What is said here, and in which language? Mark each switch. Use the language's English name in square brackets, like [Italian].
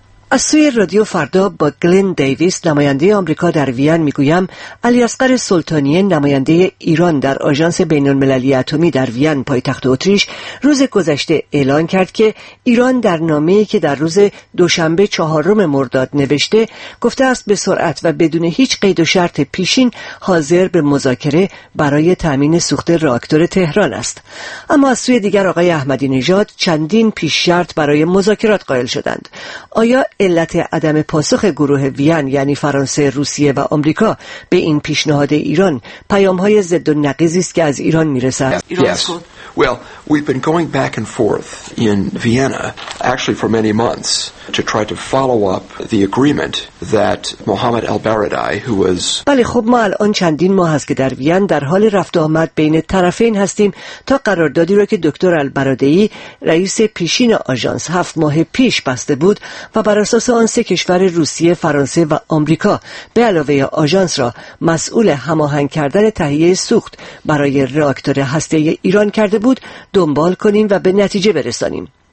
[Persian] از سوی رادیو فردا با گلن دیویس نماینده آمریکا در وین میگویم علی اصغر سلطانی نماینده ایران در آژانس بین‌المللی اتمی در وین پایتخت اتریش روز گذشته اعلان کرد که ایران در نامه‌ای که در روز دوشنبه 4 مرداد نوشته گفته است به سرعت و بدون هیچ قید و شرط پیشین حاضر به مذاکره برای تامین سوخت راکتور تهران است. اما از سوی دیگر آقای احمدی نژاد چندین پیش شرط برای مذاکرات قائل شدند. آیا علت عدم پاسخ گروه وین یعنی فرانسه، روسیه و آمریکا به این پیشنهاد ایران پیام‌های ضد و نقیض است که از ایران می‌رسد؟ [English] Well, we've been going back and forth in Vienna actually for many months to try to follow up the agreement that Mohammed Elbaradei who was [Persian] بله خب ما الان چندین ماه است که در وین در حال رفت و آمد بین طرفین هستیم تا قراردادی را که دکتر البرادعی رئیس پیشین آژانس 7 پیش بسته بود و بر اساس آن 3 روسیه، فرانسه و آمریکا به علاوه آژانس را مسئول هماهنگ کردن تهیه سوخت برای راکتور هسته‌ای ایران کرده بود دنبال کنیم و به نتیجه برسانیم.